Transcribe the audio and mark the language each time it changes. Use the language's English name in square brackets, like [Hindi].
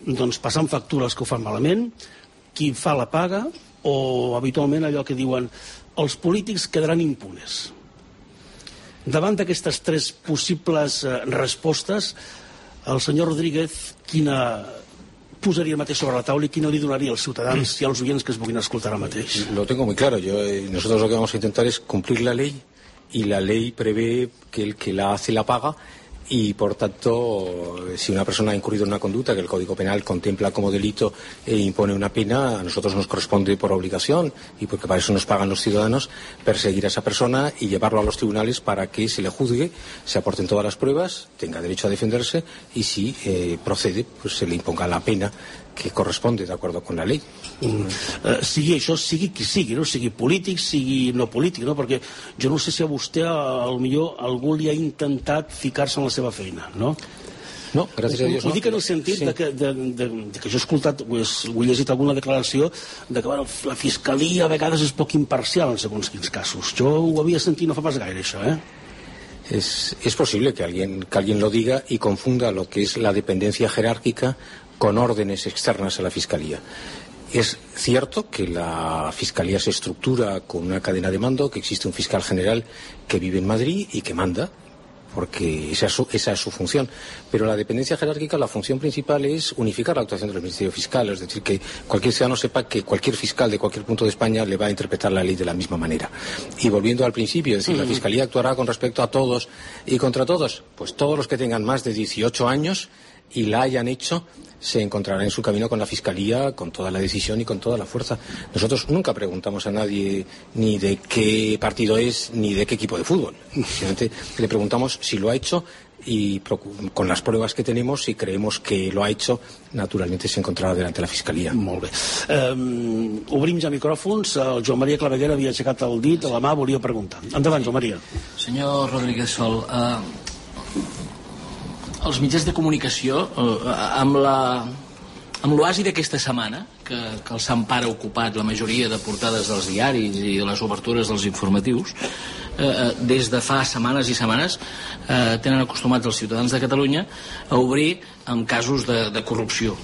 [Catalan] Doncs passant factures que ho fan malament, qui fa la paga, o habitualment allò que diuen els polítics quedaran impunes. Davant d'aquestes tres possibles respostes, el senyor Rodríguez, quina posaria el mateix sobre la taula i quina li donaria als ciutadans i als oients que es puguin escoltar ara mateix? [Spanish] Lo tengo muy claro. Nosotros lo que vamos a intentar es cumplir la ley, y la ley prevé que el que la hace la paga, y por tanto, si una persona ha incurrido en una conducta que el Código Penal contempla como delito e impone una pena, a nosotros nos corresponde por obligación, y porque para eso nos pagan los ciudadanos, perseguir a esa persona y llevarlo a los tribunales para que se le juzgue, se aporten todas las pruebas, tenga derecho a defenderse, y si procede, pues se le imponga la pena que corresponde, de acuerdo con la ley. [Catalan] Sigui això, sigui qui sigui, no? Sigui polític, sigui no polític, no? Perquè jo no sé si a vostè, al millor, algú li ha intentat ficar-se en la seva feina, no? No, gràcies a Dios. Ho dic en el sentit que jo he escoltat, ho he llegit alguna declaració, de que bueno, la fiscalia a vegades és poc imparcial en segons quins casos. Jo ho havia sentit no fa pas gaire, això, eh? [Spanish] Es posible que alguien lo diga y confunda lo que es la dependencia jerárquica con órdenes externas a la Fiscalía. Es cierto que la Fiscalía se estructura con una cadena de mando, que existe un fiscal general que vive en Madrid y que manda, porque esa es su función. Pero la dependencia jerárquica, la función principal es unificar la actuación del Ministerio Fiscal, es decir, que cualquier ciudadano sepa que cualquier fiscal de cualquier punto de España le va a interpretar la ley de la misma manera. Y volviendo al principio, es decir, la Fiscalía actuará con respecto a todos y contra todos, pues todos los que tengan más de 18 años y la hayan hecho se encontrará en su camino con la Fiscalía, con toda la decisión y con toda la fuerza. Nosotros nunca preguntamos a nadie ni de qué partido es ni de qué equipo de fútbol. Simplemente le preguntamos si lo ha hecho y con las pruebas que tenemos, si creemos que lo ha hecho, naturalmente se encontrará delante de la Fiscalía. [Catalan] Molt bé. Obrim ja micròfons. El Joan Maria Claveguera havia aixecat el dit, la mà, volia preguntar. Endavant, Joan Maria. Senyor Rodríguez Sol, els mitjans de comunicació, amb l'oasi d'aquesta setmana, que el Sant Pare ha ocupat la majoria de portades dels diaris i de les obertures dels informatius, des de fa setmanes i setmanes, tenen acostumats els ciutadans de Catalunya a obrir amb casos de corrupció.